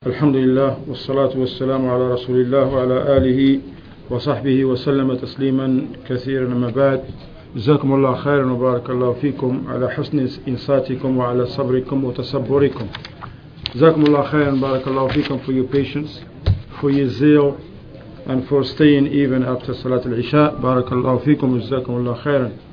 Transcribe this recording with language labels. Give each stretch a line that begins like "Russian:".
Arabic: الحمد لله والصلاة والسلام على رسول الله وعلى آله وصحبه وسلم تسليما كثيرا ما بعد. جزاكم الله خيرا وبارك الله فيكم على حسن إنصاتكم وعلى صبركم وتصبركم. جزاكم الله خيرا وبارك الله فيكم
English: for your patience, for your zeal and for staying even after صلاة العشاء.
Arabic: بارك الله فيكم وجزاكم الله خيرا.